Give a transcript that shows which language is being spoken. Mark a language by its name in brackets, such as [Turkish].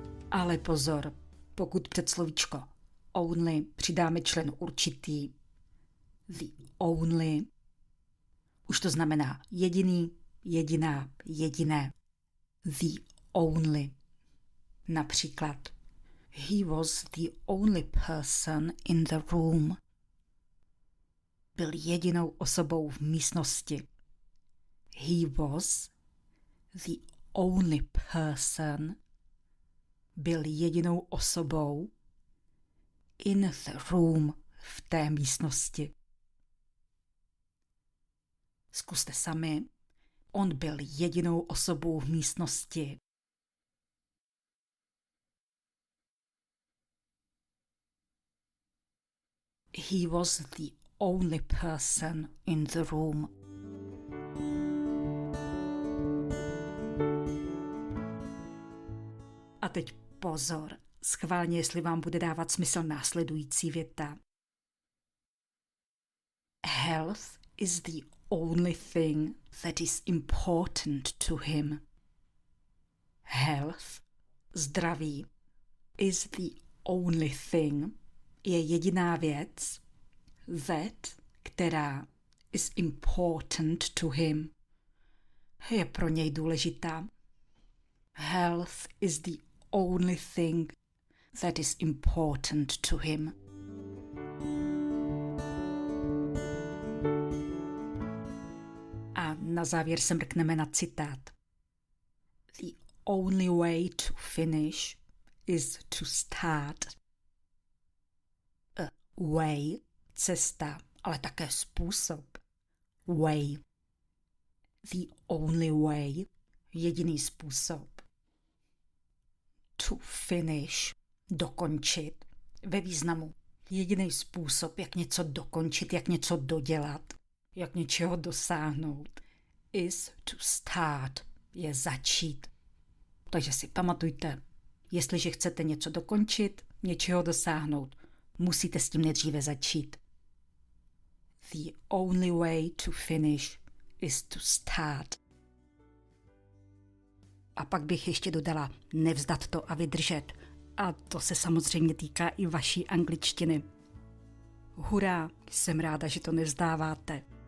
[Czech] Ale pozor, pokud před slovíčko only přidáme člen určitý, the only, už to znamená jediný, jediná, jediné. [English] The only. [Czech] Například, [English] he was the only person in the room. [Czech] Byl jedinou osobou v místnosti. [English] He was the only person. [Czech] Byl jedinou osobou [English] in the room, [Czech] v té místnosti. Zkuste sami. On byl jedinou osobou v místnosti. [English] He was the only person in the room. [Czech] A teď pozor, schválně, jestli vám bude dávat smysl následující věta. [English] Health is the only thing that is important to him. Health, [Czech] zdraví, [English] is the only thing, [Czech] je jediná věc, [English] that, [Czech] která, [English] is important to him, [Czech] je pro něj důležitá. [English] Health is the only thing that is important to him. [Czech] A na závěr se mrkneme na citát. [English] The only way to finish is to start. [Czech] A way, cesta, ale také způsob. Way. [English] The only way, [Czech] jediný způsob. [English] To finish, [Czech] dokončit, ve významu. Jediný způsob, jak něco dokončit, jak něco dodělat, jak něčeho dosáhnout, [English] is to start, [Czech] je začít. Takže si pamatujte, jestliže chcete něco dokončit, něčeho dosáhnout, musíte s tím nejdříve začít. [English] The only way to finish is to start. [Czech] A pak bych ještě dodala, nevzdat to a vydržet. A to se samozřejmě týká i vaší angličtiny. Hurá, jsem ráda, že to nevzdáváte.